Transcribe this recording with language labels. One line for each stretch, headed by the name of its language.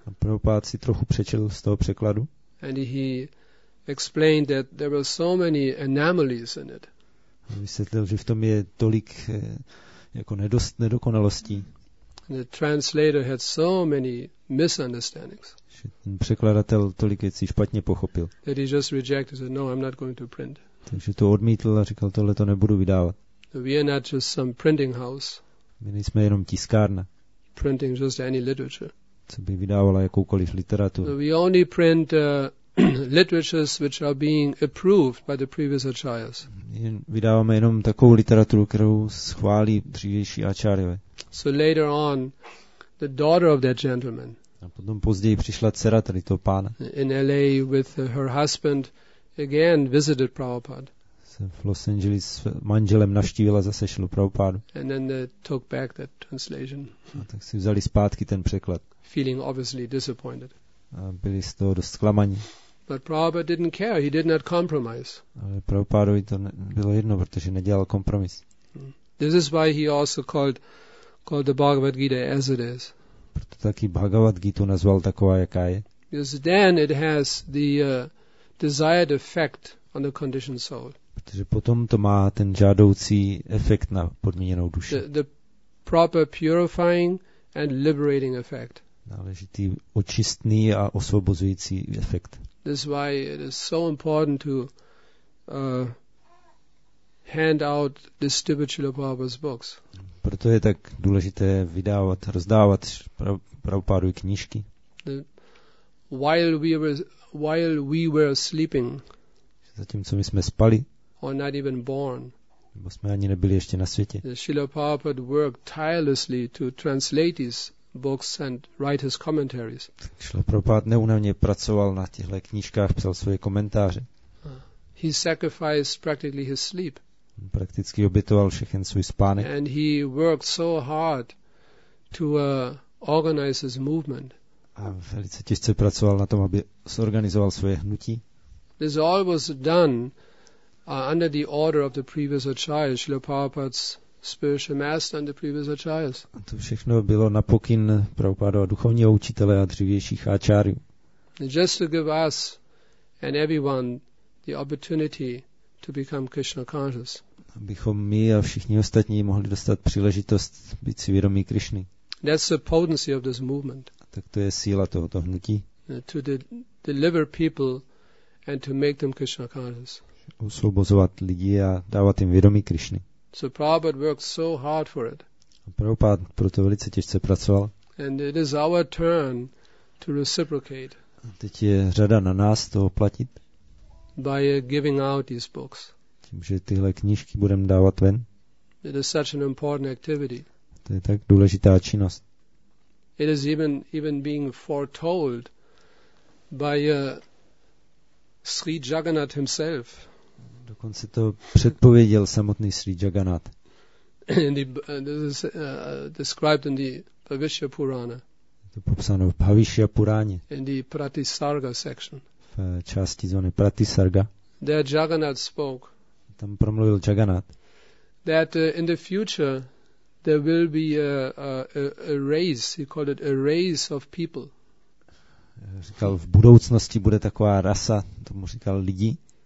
Czech: A Prabhupada si trochu přečetl z toho překladu.
English: And he explained that there were so many anomalies in it.
Czech: A vysvětlil, že v tom je tolik jako nedokonalostí.
English: The translator had so many misunderstandings.
Czech: Ten překladatel tolik věcí špatně pochopil.
English: That he just rejected, said, "No, I'm not going to print."
Czech: Takže to odmítl a říkal, tohle to nebudu vydávat.
English: We are not just some printing house.
Czech: My nejsme jenom tiskárna.
English: Printing just any literature.
Czech: Co by vydávala jakoukoliv literaturu.
English: We only print literatures which are being approved by the previous acharyas.
Czech: Vydáváme jenom takovou literaturu, kterou schválí dřívější acharyové.
English: So later on, the daughter of that gentleman.
Czech: A potom později přišla dcera tady toho pána.
English: In LA with her husband, again visited Prabhupada.
Czech: V Los Angeles s manželem navštívila zase Šilu Prabhupádu.
English: And then they took back that translation.
Czech: A tak si vzali zpátky ten překlad.
English: Feeling obviously disappointed.
Czech: A byli z toho dost zklamaní.
English: But Prabhupada didn't care. He did not compromise.
Czech: Ale Prabhupádovi to bylo jedno, protože nedělal kompromis.
English: This is why he also called the Bhagavad Gita as it is.
Czech: Proto taky Bhagavad Gita nazval taková, jaká je.
English: Because then it has the desired effect on the conditioned soul.
Czech: Protože potom to má ten žádoucí efekt na podmíněnou duši.
English: The proper purifying and liberating effect.
Czech: Náležitý očistný a osvobozující efekt.
English: This is why it is so important to hand out the stupid Srila Prabhupada's books.
Czech: Proto je tak důležité vydávat, rozdávat Prabhupádovy knížky.
English: While we were sleeping.
Czech: Zatímco my jsme spali.
English: Or not even born.
Czech: Nebo jsme ani nebyli ještě na světě.
English: Srila Prabhupada worked tirelessly to translate his books and write his commentaries.
Czech: Srila Prabhupada neunavně pracoval na těchto knížkách, psal svoje komentáře.
English: He sacrificed practically his sleep.
Czech: Prakticky obětoval všechen svůj spánek.
English: And he worked so hard to organize his movement.
Czech: A velice těžce pracoval na tom, aby zorganizoval svoje hnutí.
English: This all was done under the order of the previous acharyas, Srila Prabhupada's spiritual master and the previous acharyas.
Czech: A to všechno bylo na pokyn Prabhupádova duchovního učitele a dřívějších acharyů.
English: Just to give us and everyone the opportunity to become Krishna conscious.
Czech: Abychom my a všichni ostatní mohli dostat příležitost být si vědomí Krišny.
English: That's the potency of this movement.
Czech: Tak to je síla tohoto hnutí.
English: To deliver people and to make them Krishna conscious.
Czech: Osvobozovat lidi a dávat jim vědomí Krišny.
English: So Prabhupada worked so hard for it.
Czech: A Prabhupada proto velice těžce pracoval.
English: And it is our turn to reciprocate.
Czech: A teď je řada na nás toho platit.
English: By giving out these books.
Czech: Tím, že tyhle knížky budem dávat ven.
English: It is such an important activity.
Czech: To je tak důležitá činnost.
English: It is even being foretold by Sri Jagannath himself.
Czech: Dokonce to předpověděl samotný Sri Jagannath.
English: This is described in the Bhavishya Purana.
Czech: To popsáno v Bhavishya Puráně.
English: In the Pratisarga section.
Czech: V části zóny Pratisarga.
English: There Jagannath spoke.
Czech: Tam promluvil Jagannath.
English: That in the future there will be a race, he called it a race of people.
Czech: Říkal, v budoucnosti bude taková rasa, tomu říkal lidi.